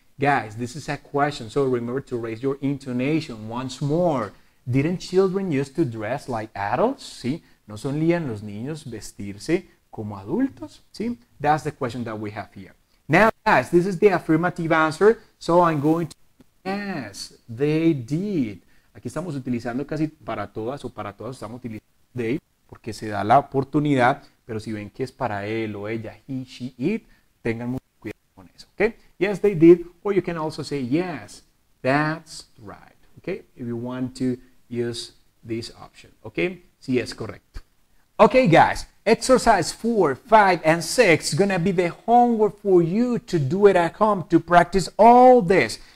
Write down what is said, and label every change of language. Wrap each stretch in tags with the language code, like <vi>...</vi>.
<en>Guys, this is a question, so remember to raise your intonation once more. Didn't children used to dress like adults?</en> <es>¿Sí? ¿No solían los niños vestirse como adultos? ¿Sí?</es> <en>That's the question that we have here. Now, guys, this is the affirmative answer, so I'm going to... Yes, they did.</en> <es>Aquí estamos utilizando casi para todas o para todos estamos utilizando they, porque se da la oportunidad, pero si ven que es para él o ella, he, she, it, tengan mucho cuidado con eso, ¿ok?</es> <en>Yes, they did. Or you can also say, yes, that's right. Okay? If you want to use this option. Okay?</en> <es>Sí, es correcto.</es> <en>Okay, guys. Exercise 4, 5, and 6 is going to be the homework for you to do it at home to practice all this.</en>